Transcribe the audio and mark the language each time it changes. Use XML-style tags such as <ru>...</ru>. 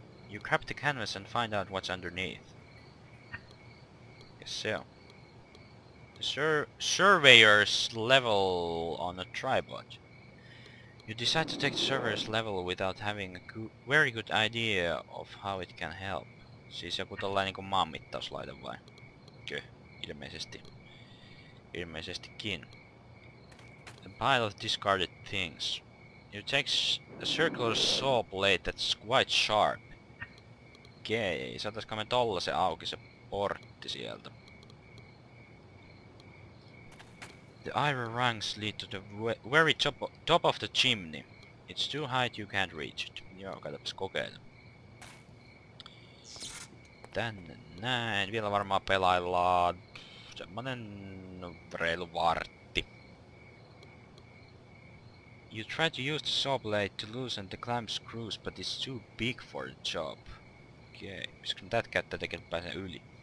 <en>You grab the canvas and find out what's underneath. Guess so. Surveyor's level on a tripod. You decide to take the surveyor's level without having a very good idea of how it can help.</en> <fi>Siis joku tollain niinku maanmittauslaite vai? Kyllä, ilmeisesti. Ilmeisestikin.</fi> <en>A pile of discarded things. You take a circular saw blade that's quite sharp.</en> <fi>Okei, saataisko me tollasen auki se portti sieltä?</fi> <en>The iron rungs lead to the very top of the chimney. It's too high, you can't reach it.</en> <fi>Joo, katsotaan kokeilla. Tänne näin. Vielä varmaan pelaillaan semmonen reilu vartti.</fi> <en>You try to use the saw blade to loosen the clamp screws, but it's too big for the job. Okei, okay.</en> <fi>Pysykö tätä käyttää tekemään pääsen yli?</fi>